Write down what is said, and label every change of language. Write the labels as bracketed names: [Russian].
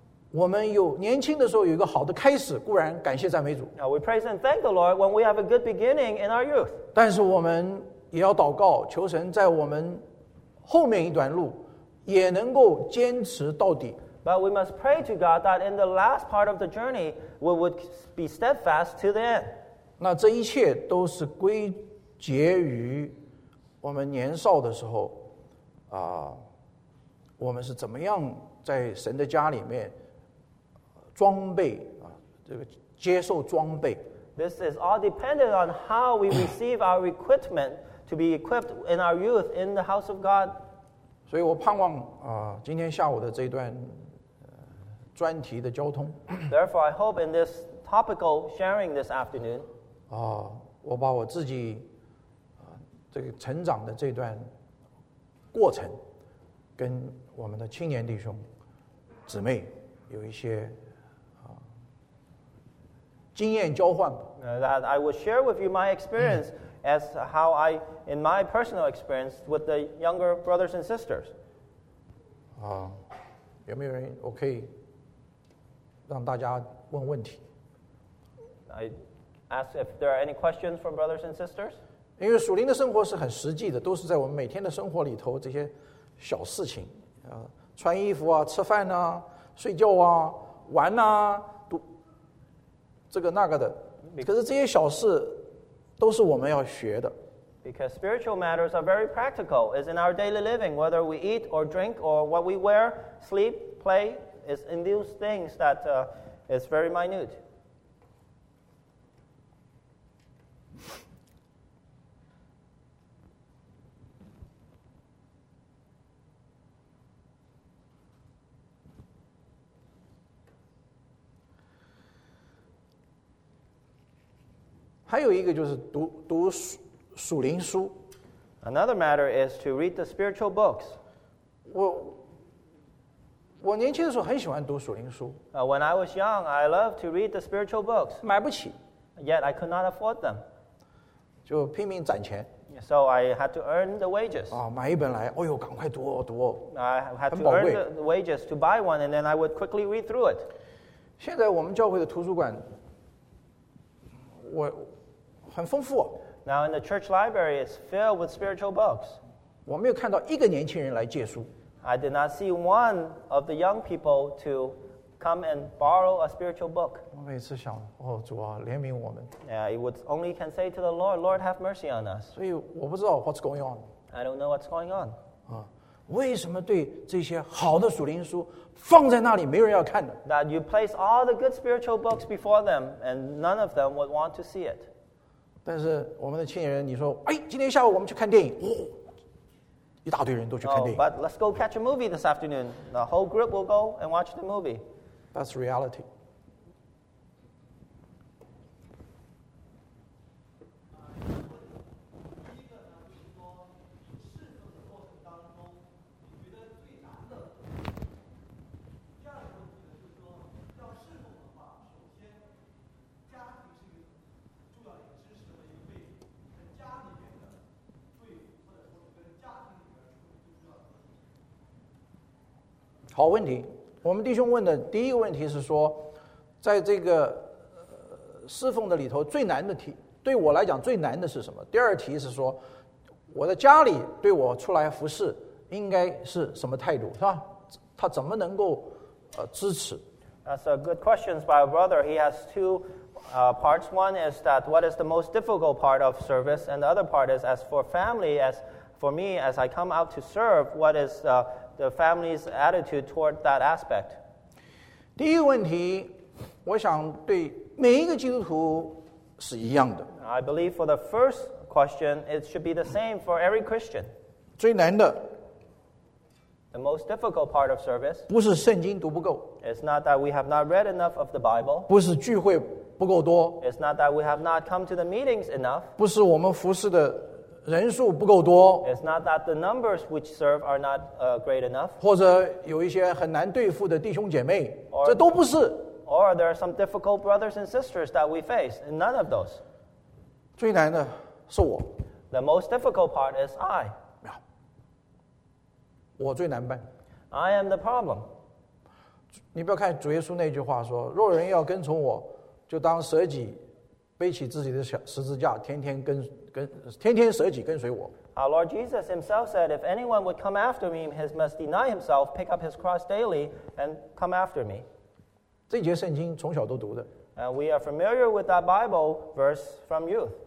[Chinese] 我们有年轻的时候有一个好的开始，固然感谢赞美主。 [English] Now we praise and thank the Lord when we have a good beginning in our youth. [Chinese] 但是我们也要祷告，求神在我们后面一段路也能够坚持到底。 [English] But we must pray to God that in the last part of the journey, we would be steadfast to the end. [Chinese] 那这一切都是归结于我们年少的时候，我们是怎么样在神的家里面装备啊，这个接受装备。 [English] This is all dependent on how we receive our equipment to be equipped in our youth in the house of God. [Chinese] 所以我盼望今天下午的这段专题的交通。 [English] Therefore, I hope in this topical sharing this afternoon. [Chinese] 我把我自己这个成长的这段过程跟我们的青年弟兄姊妹有一些经验交换。 [English] That I will share with you my experience as how I, in my personal experience with the younger brothers and sisters. [Chinese] 有没有人我可以让大家问问题？ [English] I ask if there are any questions from brothers and sisters. [Chinese] 因为属灵的生活是很实际的，都是在我们每天的生活里头这些小事情，穿衣服啊，吃饭啊，睡觉啊，玩啊，这个那个的，可是这些小事都是我们要学的。 [English] Because spiritual matters are very practical, is in our daily living, whether we eat or drink or what we wear, sleep, play, is in those things that is very minute. [Chinese] 还有一个就是 读属灵书。 [English] Another matter is to read the spiritual books. [Chinese] 我年轻的时候很喜欢读属灵书。 [English] When I was young, I loved to read the spiritual books. [Chinese] 买不起。 [English] Yet I could not afford them. [Chinese] 就拼命攒钱。 [English] So I had to earn the wages. [Chinese] 买一本来，哎呦，赶快读哦，读哦。 [English] I had to earn the wages to buy one, and then I would quickly read through it. [Chinese] 现在我们教会的图书馆我很丰富。 [English] Now in the church library, it's filled with spiritual books. [Chinese] 我没有看到一个年轻人来借书。 [English] I did not see one of the young people to come and borrow a spiritual book. [Chinese] 我每次想，哦，主啊，怜悯我们。 [English] Yeah, I would only can say to the Lord, Lord, have mercy on us. [Chinese] 所以我不知道 [English] what's going on. I don't know what's going on. [Chinese] 为什么对这些好的属灵书放在那里没人要看的？ [English] That you place all the good spiritual books before them and none of them would want to see it. [Chinese] 但是我们的青年人你说，哎，今天下午我们去看电影，一大堆人都去看电影。 [English] Oh, but let's go catch a movie this afternoon. The whole group will go and watch the movie. That's reality. [Chinese] 好问题，我们弟兄问的第一个问题是说，在这个侍奉的里头最难的题，对我来讲最难的是什么？第二题是说，我的家里对我出来服侍应该是什么态度，是吧？他怎么能够支持 [English] ？That's a good question by a brother. He has two parts. One is that what is the most difficult part of service, and the other part is as for family, as for me, as I come out to serve, what is the family's attitude toward that aspect. [Chinese] 第一个问题，我想对每一个基督徒是一样的。 [English] I believe for the first question, it should be the same for every Christian. [Chinese] 最难的 [English] the most difficult part of service [Chinese] 不是圣经读不够。 [English] It's not that we have not read enough of the Bible. [Chinese] 不是聚会不够多。 [English] It's not that we have not come to the meetings enough. [Chinese] 不是我们服侍的人数不够多。 [English] It's not that the numbers which serve are not great enough. [Chinese] 或者有一些很难对付的弟兄姐妹，这都不是。 [English] Or there are some difficult brothers and sisters that we face. And none of those. [Chinese] 最难的是我。 [English] The most difficult part is I. [Chinese] 我最难办。 [English] I am the problem. [Chinese] 你不要看主耶稣那句话说，若人要跟从我，就当舍己，背起自己的十字架，天天舍己跟随我。 [English] Our Lord Jesus himself said, if anyone would come after me, he must deny himself, pick up his cross daily, and come after me. [Chinese] 这节圣经从小都读的。 [English] And we are familiar with that Bible verse from youth.